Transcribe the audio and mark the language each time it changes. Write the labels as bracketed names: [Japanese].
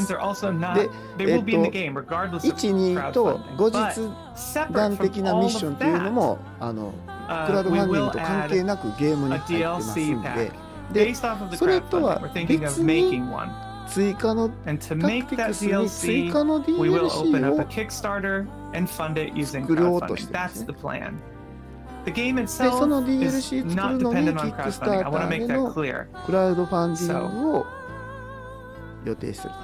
[Japanese] で、1、2と後日段的なミッションというのもクラウドファンディングと関係なくゲームに入ってますんで、で、それとは別に追加のタクティクスに追加の DLC を作ろうとしてますね。 [English] The game itself is not dependent on crowdfunding. I want to make that clear. [Japanese] クラウドファンディングを予定する。